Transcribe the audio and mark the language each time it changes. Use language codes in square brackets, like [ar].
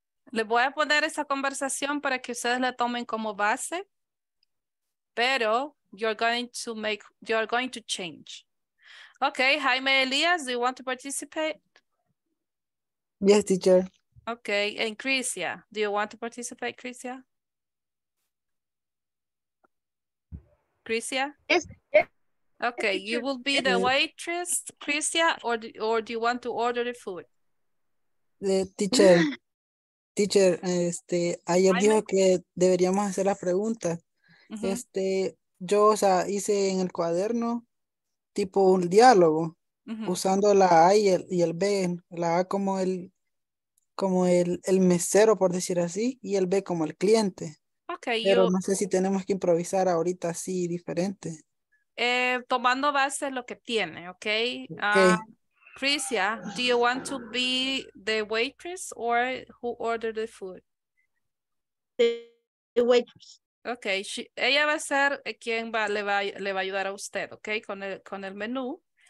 [es] Les voy a poner esa conversación para que ustedes la tomen como base, pero [en] you're going to change. Okay, Jaime Elias, do you want to participate? Yes, teacher. Okay, and Crisia, do you want to participate, Crisia? Crisia? Yes. Okay, yes, you will be the waitress, Crisia, or do you want to order the food? The teacher. [es] Teacher, ayer dijo que deberíamos hacer las preguntas. Uh-huh. Yo, o sea, hice en el cuaderno tipo un diálogo, uh-huh, usando la A y el B, la A como el mesero, por decir así, y el B como el cliente. [en] Okay, [es] pero no sé si tenemos que improvisar ahorita así diferente. Tomando base lo que tiene, okay. [en] Crisia, do you want to be the waitress or who ordered the food? The waitress. [es] Okay, ella va a ser quien le va a ayudar a usted, okay, con el menú.